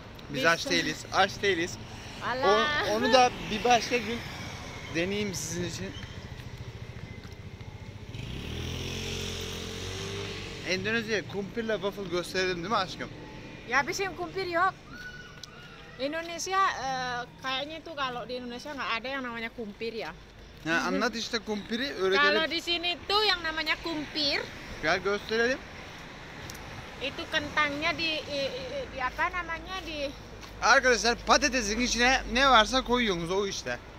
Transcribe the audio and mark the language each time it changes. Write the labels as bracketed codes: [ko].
[tr] Biz aç değiliz, aç değiliz. Onu da bir başka gün deneyeyim sizin için. Endonezya'ya kumpirle waffle gösterelim değil mi aşkım? Ya bizim kumpir yok. [id] Indonesia kayaknya tuh kalau di Indonesia nggak ada yang namanya kumpir ya. [tr] Ya anlat işte kumpiri öğretelim. [id] Kalau di sini tuh yang namanya kumpir. [tr] Gel gösterelim. [id] Itu kentangnya di apa namanya di. [tr] Arkadaşlar patatesin içine ne varsa koyuyorsunuz o işte.